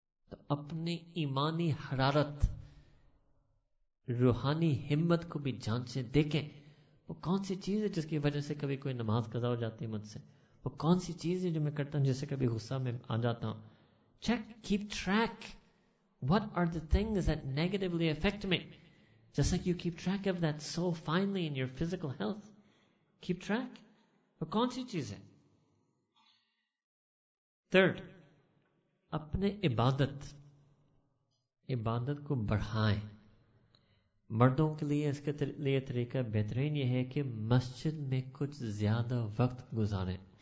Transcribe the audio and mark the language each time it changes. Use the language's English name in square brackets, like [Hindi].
[Urdu] تو اپنی ایمانی حرارت, روحانی ہمت کو بھی جانچیں, دیکھیں وہ کون سی چیز ہے جس کی وجہ سے کبھی کوئی نماز قضا ہو جاتی ہے مجھ سے, وہ کون سی چیز ہے جو میں کرتا ہوں جس سے کبھی غصہ میں آ جاتا ہوں. [English] Check, keep track. What are the things that negatively affect me? Just like you keep track of that so finely in your physical health. Keep track. [Urdu] وہ کون سی چیز ہے؟ Third, اپنے عبادت, عبادت کو بڑھائیں. مردوں کے لیے اس کے لیے طریقہ بہترین یہ ہے کہ مسجد میں کچھ زیادہ وقت گزاریں.